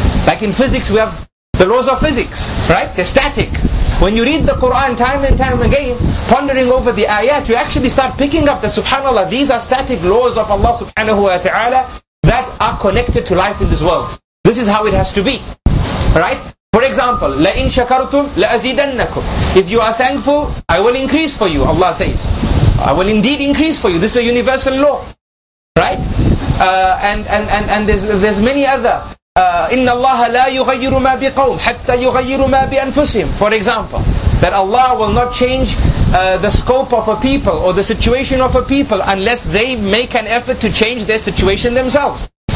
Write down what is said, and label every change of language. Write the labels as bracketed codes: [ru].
[en] Like in physics, we have the laws of physics, right? They're static. When you read the Quran time and time again, pondering over the ayat, you actually start picking up that, subhanAllah, these are static laws of Allah subhanahu wa ta'ala that are connected to life in this world. This is how it has to be, right? For example, [ar] لَإِن شَكَرْتُمْ لَأَزِيدَنَّكُمْ. [en] If you are thankful, I will increase for you, Allah says. I will indeed increase for you. This is a universal law, right? And there's many other [ar] إِنَّ اللَّهَ لَا يُغَيِّرُ مَا بِقَوْمٍ حَتَّى يُغَيِّرُ مَا بِأَنفُسِهِمْ. [en] For example, that Allah will not change the scope of a people or the situation of a people unless they make an effort to change their situation themselves.